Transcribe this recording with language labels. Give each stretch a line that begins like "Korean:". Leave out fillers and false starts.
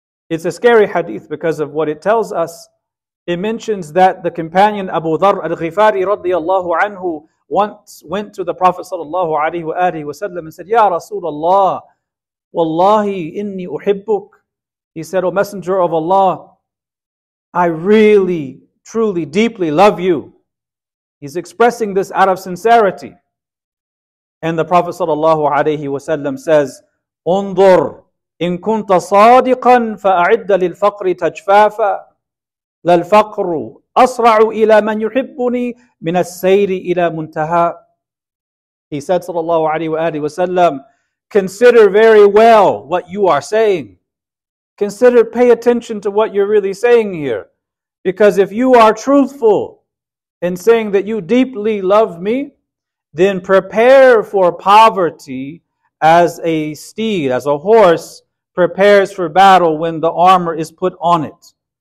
English: It's a scary hadith because of what it tells us. It mentions that the companion Abu Dharr al-Ghifari radiyallahu anhu once went to the Prophet sallallahu alayhi wa sallam and said,
Arabic: Ya Rasulullah, Wallahi inni uhibbuk.
English: He said, O Messenger of Allah, I really, truly, deeply love you. He's expressing this out of sincerity. And the Prophet sallallahu alayhi wa sallam says,
Arabic: انظر إن كنت صادقا فأعد للفقر تجفافا للفقر أسرع إلى من يحبني من السير إلى منتهى.
English: He said sallallahu alayhi wa sallam, consider very well what you are saying. Consider, pay attention to what you're really saying here. Because if you are truthful in saying that you deeply love me, then prepare for poverty as a steed, as a horse, prepares for battle when the armor is put on it.